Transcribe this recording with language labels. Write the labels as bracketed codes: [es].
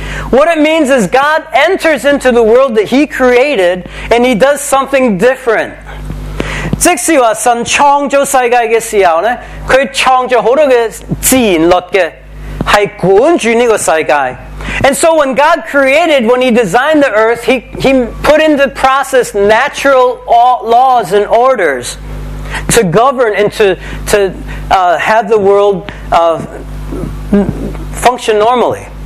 [en] What it means is God enters into the world that He created and He does something different. [zh] 即使神创造世界的时候，祂创造很多的自然律的，是管住这个世界。 [en] And so when God created, when He designed the earth, He put into process natural laws and orders to govern and to have the world function normally.